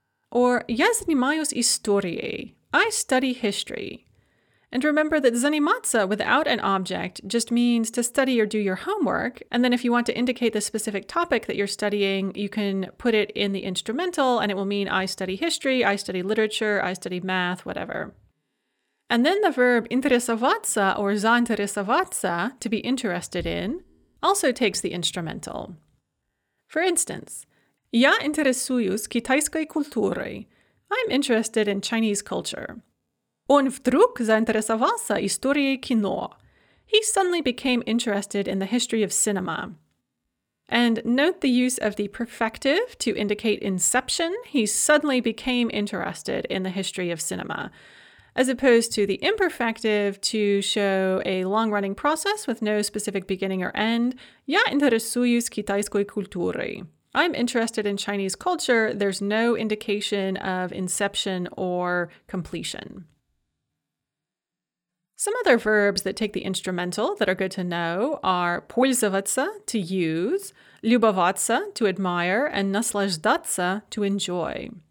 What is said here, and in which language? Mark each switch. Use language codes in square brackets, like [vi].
[en] Or, [ru] я занимаюсь историей. [en] I study history. And remember that заниматься without an object just means to study or do your homework, and then if you want to indicate the specific topic that you're studying, you can put it in the instrumental, and it will mean I study history, I study literature, I study math, whatever. And then the verb интересоваться or заинтересоваться, to be interested in, also takes the instrumental. For instance, [ru] Я интересуюсь китайской культурой. [en] I'm interested in Chinese culture. [ru] Он вдруг заинтересовался историей кино. [en] He suddenly became interested in the history of cinema. And note the use of the perfective to indicate inception. He suddenly became interested in the history of cinema. As opposed to the imperfective to show a long-running process with no specific beginning or end. [ru] Я интересуюсь китайской культурой. [en] I'm interested in Chinese culture. There's no indication of inception or completion. Some other verbs that take the instrumental that are good to know are пользоваться, to use, любоваться, to admire, and наслаждаться, to enjoy.